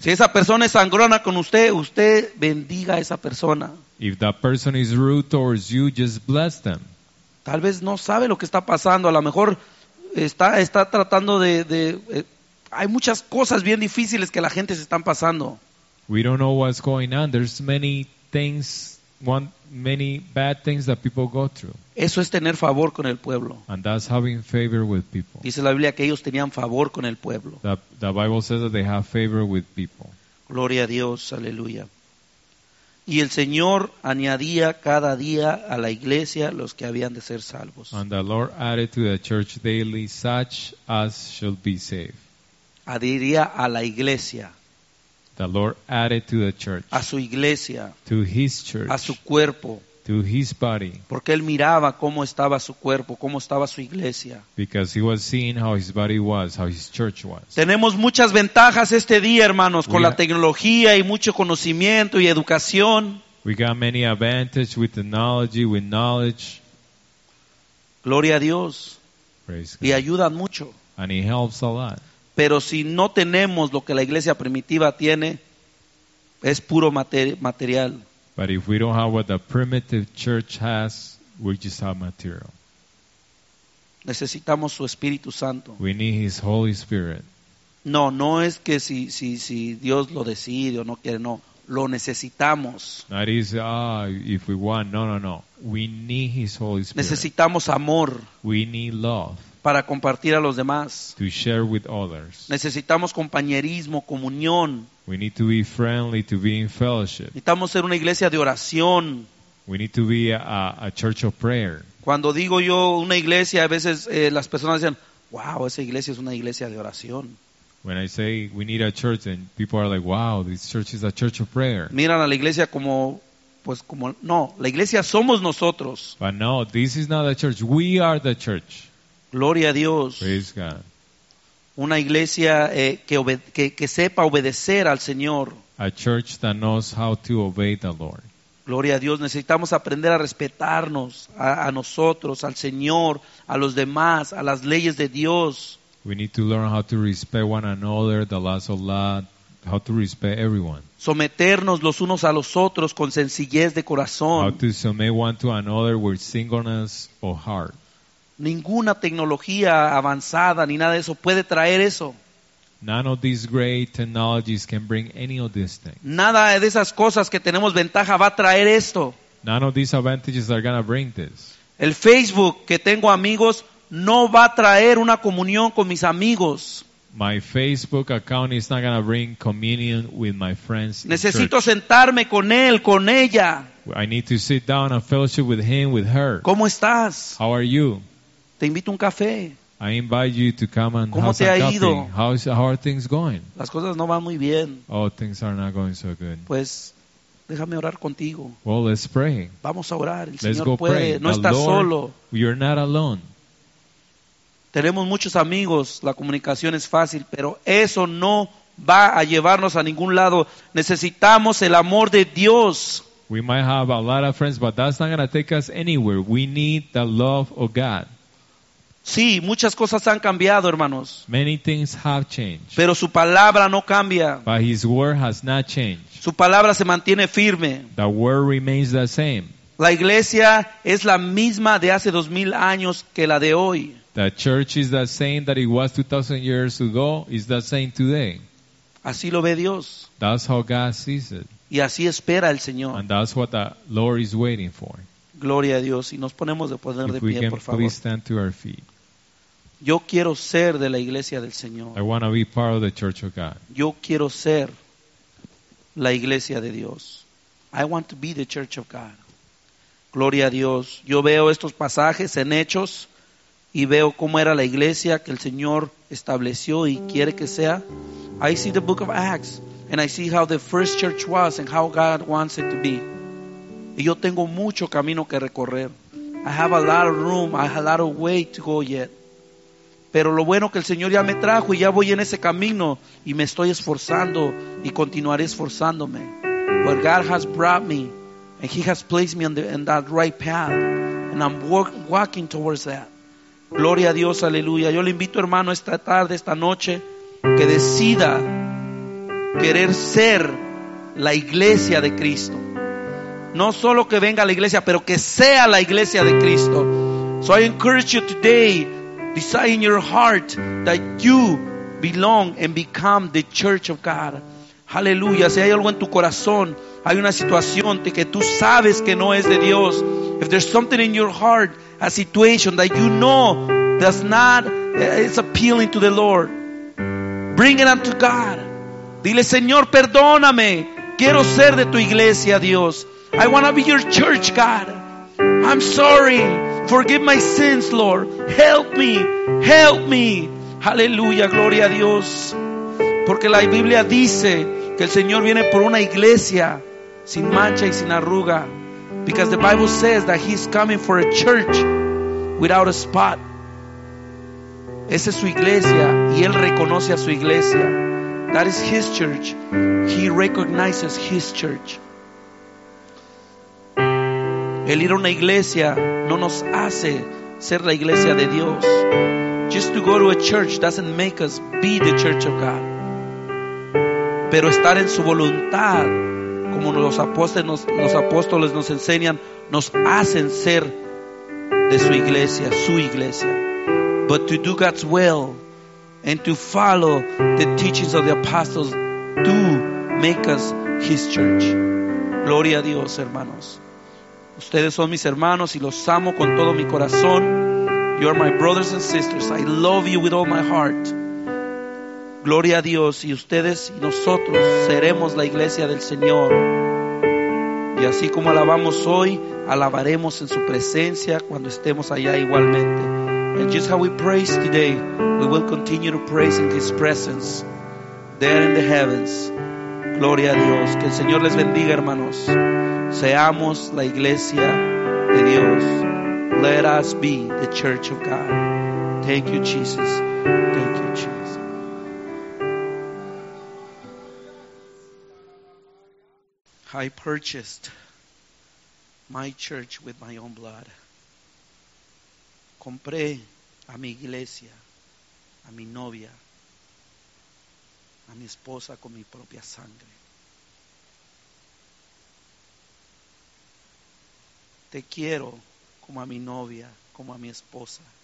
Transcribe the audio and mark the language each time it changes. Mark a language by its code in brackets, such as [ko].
[es] Si esa persona es sangrona con usted, usted bendiga a esa persona. [en] If that person is rude towards you, just bless them. [es] Tal vez no sabe lo que está pasando. A lo mejor está tratando hay muchas cosas bien difíciles que la gente se están pasando. [en] We don't know what's going on. There's many bad things that people go through. [es] Eso es tener favor con el pueblo. [en] And that's having favor with people. [es] Dice la Biblia que ellos tenían favor con el pueblo. [en] The Bible says that they have favor with people. [es] Gloria a Dios. Aleluya. Y el Señor añadía cada día a la iglesia los que habían de ser salvos. [en] And the Lord added to the church daily such as should be saved. [es] Adhería a la iglesia. [en] The Lord added to the church. [es] A su iglesia. [en] To his church. [es] A su cuerpo. [en] To his body. [es] Porque él miraba cómo estaba su cuerpo, cómo estaba su iglesia. [en] Because he was seeing how his body was, how his church was. [es] Tenemos muchas ventajas este día, hermanos, con la tecnología y mucho conocimiento y educación. [en] We got many advantages with technology, with knowledge. [es] Gloria a Dios. [en] Praise God. [es] Y ayudan mucho. [en] And he helps a lot. [es] Pero si no tenemos lo que la iglesia primitiva tiene, es puro material. [en] But if we don't have what the primitive church has, we just have material. [es] Necesitamos su Espíritu Santo. [en] We need his Holy Spirit. [es] No es que si Dios lo decide o no quiere, no. Lo necesitamos. [en] That is, if we want, no. We need his Holy Spirit. [es] Necesitamos amor. [en] We need love. [es] Para compartir a los demás. [en] To share with others. [es] Necesitamos compañerismo, comunión. [en] We need to be friendly, to be in fellowship. [es] Necesitamos ser una iglesia de oración. [en] We need to be a church of prayer. [es] Cuando digo yo una iglesia, a veces las personas dicen, wow, esa iglesia es una iglesia de oración. [en] When I say we need a church, and people are like, wow, this church is a church of prayer. [es] Miran a la iglesia como, pues como, no, la iglesia somos nosotros. [en] But no, this is not a church, we are the church. [es] Gloria a Dios. [en] Praise God. [es] Una iglesia que sepa obedecer al Señor. [en] A church that knows how to obey the Lord. [es] Gloria a Dios. Necesitamos aprender a respetarnos a nosotros, al Señor, a los demás, a las leyes de Dios. [en] We need to learn how to respect one another, the laws of God, how to respect everyone. [es] Someternos los unos a los otros con sencillez de corazón. [en] How to submit one to another with singleness of heart. [es] Ninguna tecnología avanzada ni nada de eso puede traer eso. [en] None of these great technologies can bring any of these things. [es] Nada de esas cosas que tenemos ventaja va a traer esto. [en] None of these advantages are gonna bring this. [es] El Facebook que tengo amigos no va a traer una comunión con mis amigos. [en] My Facebook account is not gonna bring communion with my friends. [es] Necesito sentarme con él, con ella. [en] I need to sit down and fellowship with him, with her. [es] ¿Cómo estás? [en] How are you? [es] Te invito a un café. [en] I invite you to come and [es] ¿cómo [en] have [es] te ha [en] coffee. [es] Ido? [en] How are things going? [es] Las cosas no van muy bien. [en] Oh, things are not going so good. [es] Pues, déjame orar contigo. [en] Well, let's pray. [es] Vamos a orar. El [en] let's [es] Señor puede. [en] Pray. [es] No estás solo. [en] You're not alone. [es] Tenemos muchos amigos. La comunicación es fácil, pero eso no va a llevarnos a ningún lado. Necesitamos el amor de Dios. [en] We might have a lot of friends, but that's not going to take us anywhere. We need the love of God. [es] Sí, muchas cosas han cambiado, hermanos. [en] Many things have changed. [es] Pero su palabra no cambia. [en] But His word has not changed. [es] Su palabra se mantiene firme. [en] The word remains the same. [es] La iglesia es la misma de hace 2,000 años que la de hoy. [en] The church is the same that it was 2,000 years ago. It's the same today. [es] Así lo ve Dios. [en] That's how God sees it. [es] Y así espera el Señor. [en] And that's what the Lord is waiting for. [es] Gloria a Dios. Y nos ponemos de poner [en] if [es] de pie, [en] can, [es] por favor. [en] Please stand to our feet. [es] Yo quiero ser de la iglesia del Señor. [en] I want to be part of the church of God. [es] Yo quiero ser la iglesia de Dios. [en] I want to be the church of God. [es] Gloria a Dios. Yo veo estos pasajes en Hechos y veo cómo era la iglesia que el Señor estableció y quiere que sea. [en] I see the book of Acts and I see how the first church was and how God wants it to be. [es] Y yo tengo mucho camino que recorrer. [en] I have a lot of room, I have a lot of way to go yet. [es] Pero lo bueno que el Señor ya me trajo y ya voy en ese camino y me estoy esforzando y continuaré esforzándome. [en] But God has brought me and He has placed me in that right path and I'm walking towards that. [es] Gloria a Dios, aleluya. Yo le invito, hermano, esta tarde, esta noche, que decida querer ser la iglesia de Cristo. No solo que venga a la iglesia, pero que sea la iglesia de Cristo. [en] So I encourage you today, decide in your heart that you belong and become the church of God. Hallelujah. [es] Si hay algo en tu corazón, hay una situación de que tú sabes que no es de Dios. [en] If there's something in your heart, a situation that you know does not, it's appealing to the Lord. Bring it unto God. [es] Dile, Señor, perdóname. Quiero ser de tu iglesia, Dios. [en] I want to be your church, God. I'm sorry. Forgive my sins, Lord. Help me. Help me. Hallelujah. [es] Gloria a Dios. Porque la Biblia dice que el Señor viene por una iglesia sin mancha y sin arruga. [en] Because the Bible says that He's coming for a church without a spot. [es] Esa es su iglesia y Él reconoce a su iglesia. [en] That is His church. He recognizes His church. [es] El ir a una iglesia no nos hace ser la iglesia de Dios. [en] Just to go to a church doesn't make us be the church of God. [es] Pero estar en su voluntad, como los apóstoles nos enseñan, nos hacen ser de su iglesia. [en] But to do God's will and to follow the teachings of the apostles do make us His church. [es] Gloria a Dios, hermanos. Ustedes son mis hermanos y los amo con todo mi corazón. [en] You are my brothers and sisters. I love you with all my heart. [es] Gloria a Dios. Y ustedes y nosotros seremos la iglesia del Señor. Y así como alabamos hoy, alabaremos en su presencia cuando estemos allá igualmente. [en] And just how we praise today, we will continue to praise in His presence there in the heavens. [es] Gloria a Dios. Que el Señor les bendiga, hermanos. Seamos la iglesia de Dios. [en] Let us be the church of God. Thank you, Jesus. Thank you, Jesus. I purchased my church with my own blood. [es] Compré a mi iglesia, a mi novia, a mi esposa con mi propia sangre. Te quiero como a mi novia, como a mi esposa.